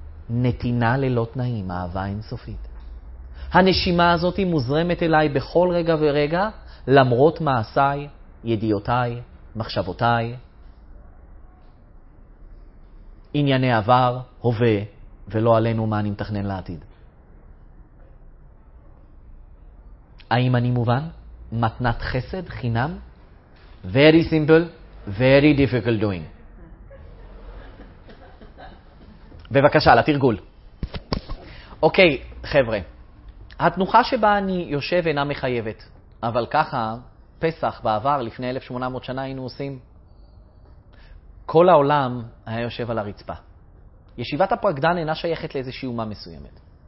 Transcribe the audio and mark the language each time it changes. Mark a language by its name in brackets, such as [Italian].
[Hebrew] נתינה ללא תנאים, אהבה אינסופית. הנשימה הזאת מוזרמת אליי בכל רגע ורגע, למרות מעשיי, ידיעותיי, מחשבותיי, ענייני עבר, הווה, ולא עלינו מה אני מתכנן לעתיד. האם אני מובן? [English] מתנת חסד, חינם? Very simple, very difficult doing. [Hebrew] בבקשה, לתרגול. אוקיי, חבר'ה, התנוחה שבה אני יושב אינה מחייבת, אבל ככה פסח בעבר לפני 1800 שנה היינו עושים. כל העולם היה יושב על הרצפה. ישיבת הפרקדן אינה שייכת לאיזושהי אומה מסוימת.